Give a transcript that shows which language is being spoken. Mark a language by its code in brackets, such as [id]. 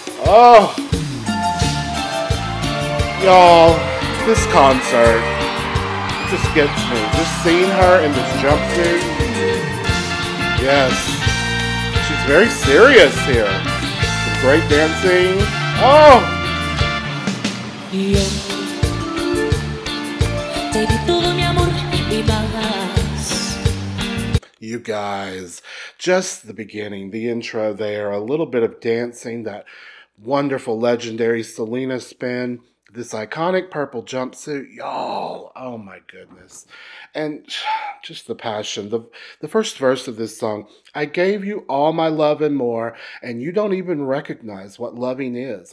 [en] Oh, y'all, this concert just gets me. Just seeing her in this jumpsuit. Yes, she's very serious here. Some great dancing. Oh! [es] Yo, te di todo mi amor y más. [en] You guys, just the beginning, the intro there, a little bit of dancing, that wonderful, legendary Selena spin, this iconic purple jumpsuit, y'all, oh my goodness. And just the passion, the first verse of this song, I gave you all my love and more, and you don't even recognize what loving is.